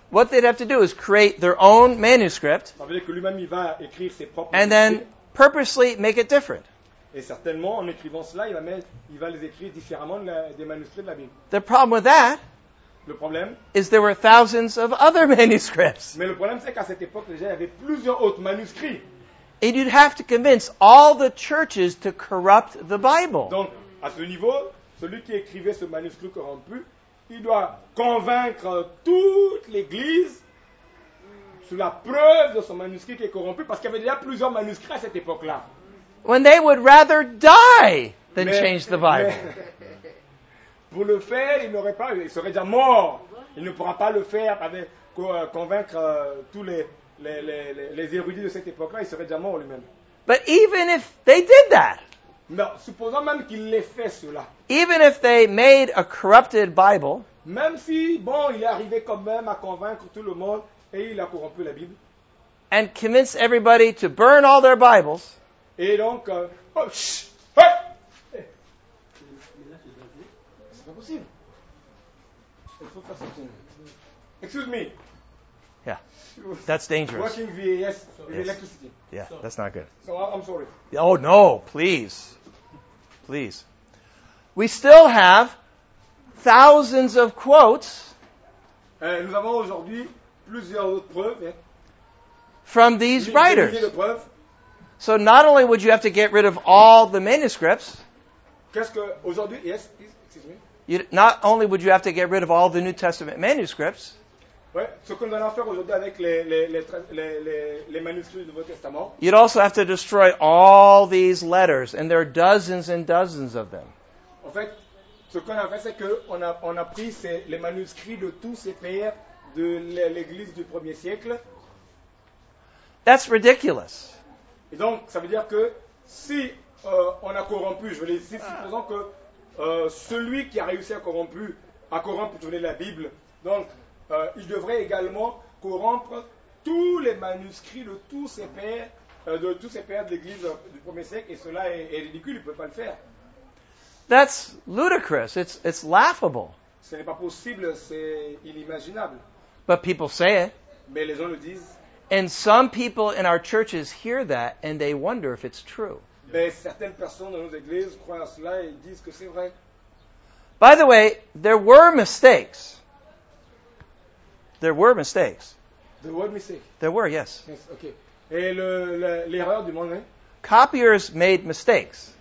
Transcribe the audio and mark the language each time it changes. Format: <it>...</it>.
<en>What they'd have to do is create their own manuscript.</en> <fr>Ça veut dire que lui-même, il va écrire ses propres</fr> <en>manuscrits. And then purposely make it different.</en> <fr>Et certainement, en écrivant cela, il va les écrire différemment des manuscrits de la Bible.</fr> <en>The problem with that.</en> <fr>Le problème.</fr> <en>Is there were thousands of other manuscripts.</en> <fr>Mais le problème, c'est qu'à cette époque, déjà, il y avait plusieurs autres manuscrits.</fr> <en>And you'd have to convince all the churches to corrupt the Bible.</en> <fr>Donc, à ce niveau, celui qui écrivait ce manuscrit corrompu, il doit convaincre toute l'Église sous la preuve de son manuscrit qui est corrompu, parce qu'il y avait déjà plusieurs manuscrits à cette époque-là.</fr> <en>When they would rather die than change the Bible.</en> <fr>Pour le faire, il n'aurait pas, il serait déjà mort. Il ne pourra pas le faire avec convaincre tous les érudits de cette époque-là, il serait déjà mort lui-même.</fr> <en>But even if they did that,</en> <fr>mais supposons même qu'il l'ait fait cela.</fr> <en>Even if they made a corrupted Bible,</en> <fr>même si bon, il est arrivé quand même à convaincre tout le monde et il a corrompu la Bible.</fr> <en>And convince everybody to burn all their Bibles.</en> <fr>Et donc, hey! C'est pas possible. Il faut faire ça.</fr> <en>Excuse me. Yeah, that's dangerous. Working VAS, yes. Electricity. Yeah, so, that's not good. So I'm sorry. Oh no, please. Please. We still have thousands of quotes.</en> <fr>Nous avons aujourd'hui plusieurs autres preuves. Hein?</fr> <en>From these writers. So not only would you have to get rid of all the manuscripts.</en> <fr>Qu'est-ce que aujourd'hui?</fr> <en>Yes, excuse me. Not only would you have to get rid of all the New Testament manuscripts.</en> <fr>Ouais, ce que nous allons faire aujourd'hui avec les manuscrits du Nouveau Testament.</fr> <en>You'd also have to destroy all these letters, and there are dozens and dozens of them.</en> <fr>En fait, ce qu'on a fait, c'est qu'on a pris les manuscrits de tous ces pères de l'Église du premier siècle.</fr> <en>That's ridiculous.</en> <fr>Et donc, ça veut dire que si on a corrompu, je veux dire, si supposons que celui qui a réussi à corrompre la Bible, donc, il devrait également corrompre tous les manuscrits de tous ses pères de l'Église du premier siècle, et cela est ridicule, il ne peut pas le faire.</fr> <en>That's ludicrous, it's laughable.</en> <fr>Ce n'est pas possible, c'est inimaginable.</fr> <en>But people say it.</en> <fr>Mais les gens le disent.</fr> <en>And some people in our churches hear that and they wonder if it's true.</en> <fr>Mais certaines personnes dans nos églises croient à cela et disent que c'est vrai.</fr> <en>By the way, there were mistakes. There were mistakes. There were mistakes. There were, yes. Yes, okay.</en> <fr>Et l'erreur du monde, hein?</fr> <en>Copiers made mistakes.</en>